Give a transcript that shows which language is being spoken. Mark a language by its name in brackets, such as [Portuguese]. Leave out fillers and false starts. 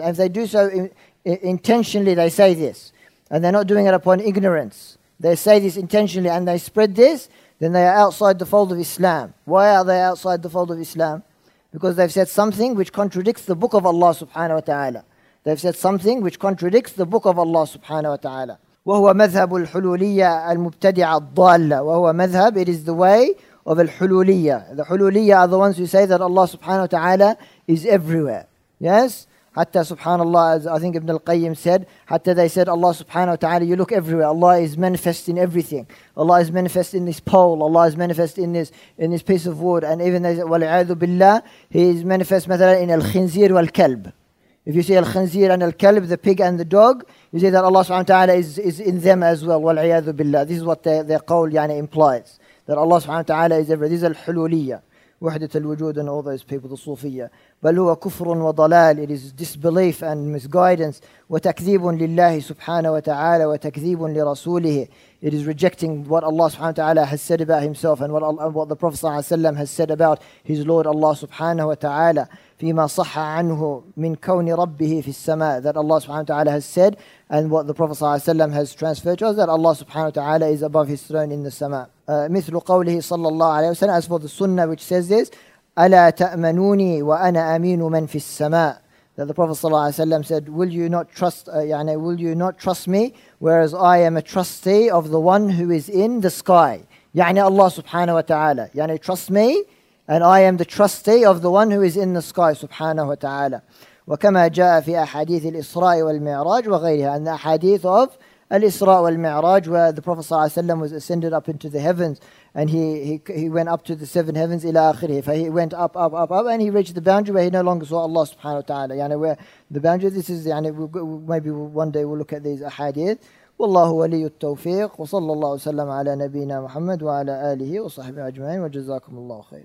[English] And if they do so intentionally, they say this, and they're not doing it upon ignorance, they say this intentionally and they spread this, then they are outside the fold of Islam. Why are they outside the fold of Islam? Because they've said something which contradicts the book of Allah subhanahu wa ta'ala. They've said something which contradicts the book of Allah subhanahu wa ta'ala. [Arabic] وهو مذهب الحلولية المبتدعة الضالة. وهو مذهب, [English] it is the way of [Arabic] الحلولية. [English] The حلولية are the ones who say that Allah subhanahu wa ta'ala is everywhere. Yes? [Arabic] حتى سبحان الله, [English] as I think Ibn al-Qayyim said, حتى they said Allah subhanahu wa ta'ala, you look everywhere. Allah is manifest in everything. Allah is manifest in this pole. Allah is manifest in this piece of wood. And even they said, [Arabic] وَلِعَاذُ بِاللَّهِ, [English] He is manifest مثلا in [Arabic] الخنزير والكلب. [English] If you see الخنزير and الكلب, the pig and the dog, you see that Allah subhanahu wa ta'ala is in them as well. [Arabic] وَلْعِيَاذُ بِاللَّهِ. [English] This is what their qawl يعني implies. That Allah subhanahu wa ta'ala is everywhere. This is الحلولية. وحدة الوجود and all those people, the Sufiyya. [Arabic] بل هو كفر وضلال. [English] It is disbelief and misguidance. [Arabic] وتكذيب لله سبحانه وتعالى وتكذيب لرسوله. [English] It is rejecting what Allah subhanahu wa ta'ala has said about himself and what the Prophet sallallahu alayhi wa sallam has said about his Lord Allah subhanahu wa ta'ala. [Arabic] فيما صح عنه من كون ربه في السماء. [English] That Allah subhanahu wa ta'ala has said and what the Prophet sallallahu alayhi wa sallam has transferred to us, that Allah subhanahu wa ta'ala is above his throne in the سماء. [Arabic] مثل قوله صلى الله عليه وسلم, [English] as for the sunnah which says this, [Arabic] ألا تأمنوني وأنا أمين من في السماء. [English] That the Prophet صلى الله عليه وسلم said, will you not trust will you not trust me, whereas I am a trustee of the one who is in the sky. يعني Allah subhanahu wa ta'ala. يعني trust me and I am the trustee of the one who is in the sky subhanahu wa ta'ala. [Arabic] وكما جاء في أحاديث الإسراء والمعراج وغيرها. [English] And the hadith of الإسراء والمعراج, where the Prophet صلى الله عليه وسلم was ascended up into the heavens and he went up to the seven heavens [Arabic] إلى آخره. [English] فهي went up up up up and he reached the boundary where he no longer saw Allah subhanahu wa ta'ala. يعني where the boundary, this is يعني maybe one day we'll look at these ahadith. [Arabic] والله ولي التوفيق وصلى الله وسلم على نبينا محمد وعلى آله وصحبه أجمعين وجزاكم الله خير.